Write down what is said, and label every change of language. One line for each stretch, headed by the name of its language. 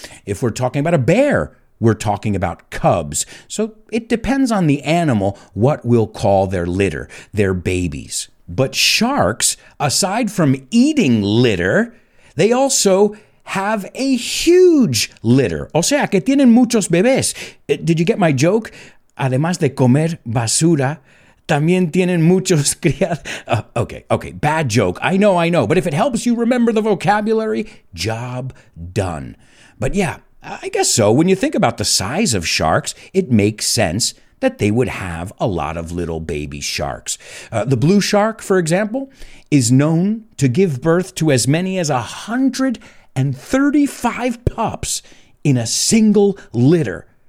English: If we're talking about a bear, we're talking about cubs. So it depends on the animal what we'll call their litter, their babies. But sharks, aside from eating litter, they also have a huge litter.
Spanish: O sea, que tienen muchos bebés.
English: Did you get my joke?
Spanish: Además de comer basura, también tienen muchos criados.
English: Okay, bad joke. I know. But if it helps you remember the vocabulary, job done. But yeah, I guess so. When you think about the size of sharks, it makes sense that they would have a lot of little baby sharks. The blue shark, for example, is known to give birth to as many as 135 pups in a single litter.